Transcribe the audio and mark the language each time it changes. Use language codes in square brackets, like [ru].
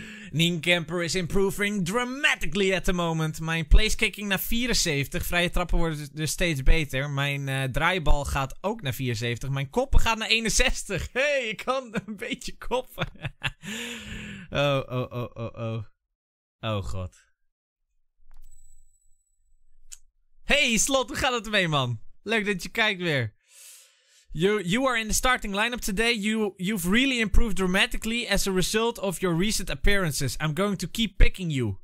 [en] Nienkamper is improving dramatically at the moment. [nl] Mijn placekicking naar 74. Vrije trappen worden dus steeds beter. Mijn draaibal gaat ook naar 74. Mijn koppen gaat naar 61. Hey, ik kan een beetje koppen. Oh. Oh god. Hey Slot, hoe gaat het mee, man? Leuk dat je kijkt weer. [en] You are in the starting lineup today. You've really improved dramatically as a result of your recent appearances. I'm going to keep picking you.